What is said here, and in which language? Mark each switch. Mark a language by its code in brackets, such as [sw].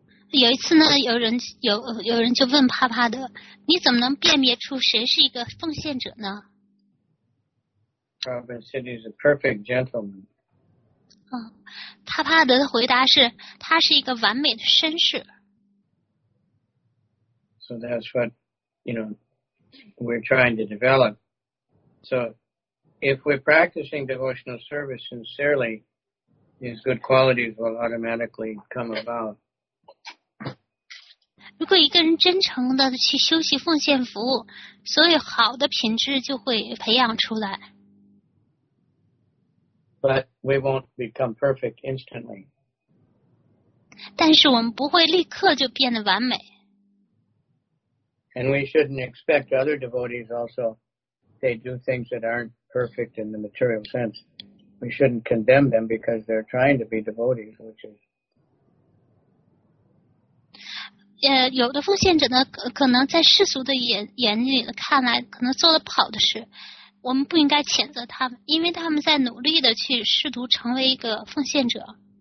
[zh] 有一次呢，有人就问帕帕的，你怎么能辨别出谁是一个奉献者呢？ [en] Prabhupada said he's a perfect gentleman. [zh] 帕帕的回答是，他是一个完美的绅士。 [en] So that's what, you know, we're trying to develop. So if we're practicing devotional service sincerely, these good qualities will automatically come about. [zh] 如果一个人真诚的去修习奉献服务，所有好的品质就会培养出来。 [en] But we won't become perfect instantly. [zh] 但是我们不会立刻就变得完美。 [en] And we shouldn't expect other devotees also, they do things that aren't perfect in the material sense. We shouldn't condemn them because they're trying to be devotees, which is... [zh] 有的奉献者呢，可能在世俗的眼里看来，可能做了不好的事，我们不应该谴责他们，因为他们在努力的去试图成为一个奉献者。